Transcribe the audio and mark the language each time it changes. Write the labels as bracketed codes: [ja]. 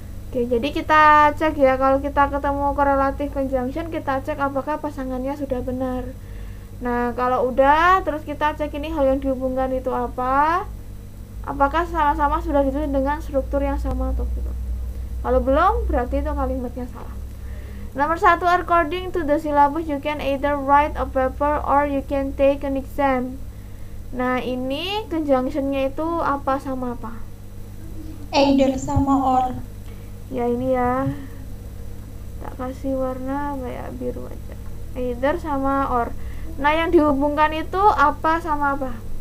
[id] Oke, jadi kita cek ya, kalau kita ketemu correlative conjunction, kita cek apakah pasangannya sudah benar. Nah, kalau udah, terus kita cek ini hal yang dihubungkan itu apa, apakah sama-sama sudah ditulis dengan struktur yang sama atau tidak. Kalau belum, berarti itu kalimatnya salah. [en] Nomor 1, according to the syllabus, you can either write a paper or you can take an exam. [id] Nah, ini conjunction-nya itu apa sama apa? Either sama or. Ya, ini ya. Tak kasih warna, kayak biru aja. Either sama or. Nah, yang dihubungkan itu apa sama apa?